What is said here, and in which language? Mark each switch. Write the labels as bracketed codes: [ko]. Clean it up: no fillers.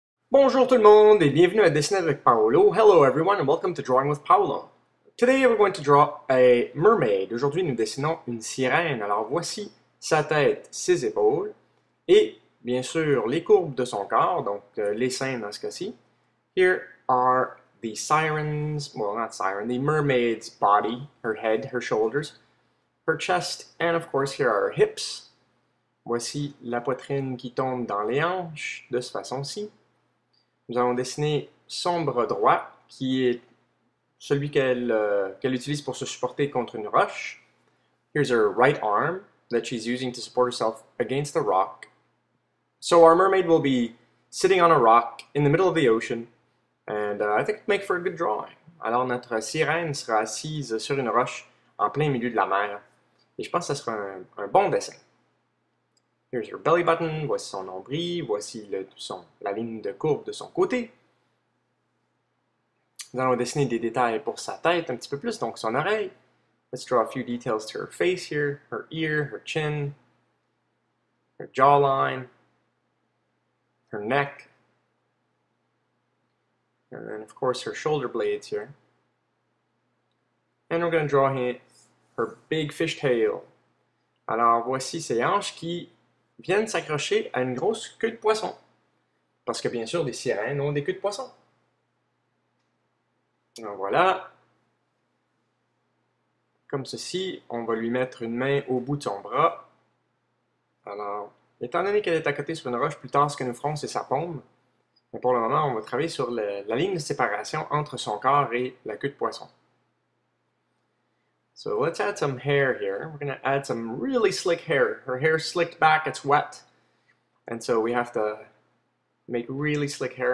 [fr] Bonjour tout le monde et bienvenue à Dessiner avec Paolo. [en] Hello everyone and welcome to Drawing with Paolo. Today we're going to draw a mermaid. [fr] Aujourd'hui nous dessinons une sirène. Alors voici sa tête, ses épaules et bien sûr les courbes de son corps, donc les seins dans ce cas-ci. [en] Here are the sirens, well not siren, the mermaid's body, her head, her shoulders, her chest, and of course here are her hips. [fr] Voici la poitrine qui tombe dans les hanches de cette façon-ci. Nous allons dessiner son bras droit, qui est celui qu'elle utilise pour se supporter contre une roche. [en] Here's her right arm that she's using to support herself against a rock. So our mermaid will be sitting on a rock in the middle of the ocean, and I think it makes for a good drawing. [fr] Alors notre sirène sera assise sur une roche en plein milieu de la mer, et je pense que ce sera un bon dessin. [en] Here's her belly button, [fr] voici son nombril, voici la ligne de courbe de son côté. Nous allons dessiner des détails pour sa tête un petit peu plus, donc son oreille. [en] Let's draw a few details to her face here, her ear, her chin, her jawline, her neck, and then of course her shoulder blades here. And we're going to draw here her big fish tail. [fr] Alors voici ses hanches qui viennent s'accrocher à une grosse queue de poisson. Parce que, bien sûr, des sirènes ont des queues de poisson. Alors, voilà. Comme ceci, on va lui mettre une main au bout de son bras. Alors, étant donné qu'elle est à côté sur une roche, plus tard, ce que nous ferons, c'est sa paume. Mais pour le moment, on va travailler sur la ligne de séparation entre son corps et la queue de poisson. [en] So let's add some hair here. We're going to add some really slick hair. Her hair is slicked back, it's wet. And so we have to make really slick hair.